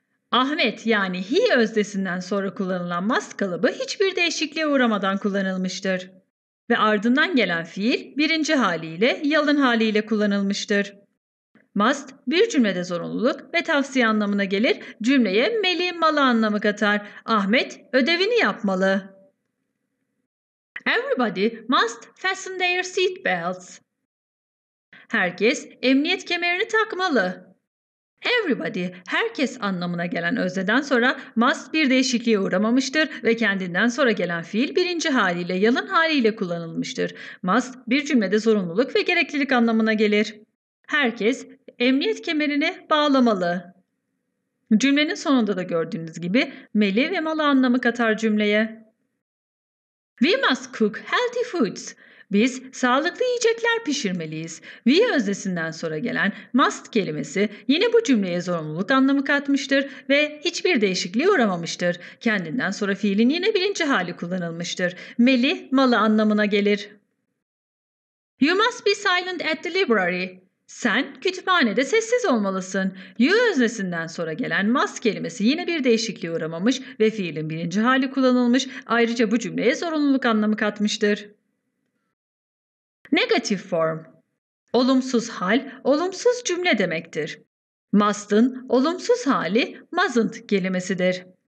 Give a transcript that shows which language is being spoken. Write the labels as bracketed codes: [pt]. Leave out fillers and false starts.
[tr] Ahmet yani he öznesinden sonra kullanılan must kalıbı hiçbir değişikliğe uğramadan kullanılmıştır. Ve ardından gelen fiil birinci haliyle yalın haliyle kullanılmıştır. Must bir cümlede zorunluluk ve tavsiye anlamına gelir. Cümleye meli malı anlamı katar. Ahmet ödevini yapmalı. [en] Everybody must fasten their seat belts. [tr] Herkes emniyet kemerini takmalı. Everybody, herkes anlamına gelen özneden sonra must bir değişikliğe uğramamıştır ve kendinden sonra gelen fiil birinci haliyle yalın haliyle kullanılmıştır. Must bir cümlede zorunluluk ve gereklilik anlamına gelir. Herkes emniyet kemerini bağlamalı. Cümlenin sonunda da gördüğünüz gibi meli ve malı anlamı katar cümleye. [en] We must cook healthy foods. [tr] Biz sağlıklı yiyecekler pişirmeliyiz. We öznesinden sonra gelen must kelimesi yine bu cümleye zorunluluk anlamı katmıştır ve hiçbir değişikliğe uğramamıştır. Kendinden sonra fiilin yine birinci hali kullanılmıştır. Meli, malı anlamına gelir. [en] You must be silent at the library. [tr] Sen kütüphanede sessiz olmalısın. You öznesinden sonra gelen must kelimesi yine bir değişikliğe uğramamış ve fiilin birinci hali kullanılmış. Ayrıca bu cümleye zorunluluk anlamı katmıştır. Negative form. Olumsuz hal, olumsuz cümle demektir. Must'ın olumsuz hali mustn't kelimesidir.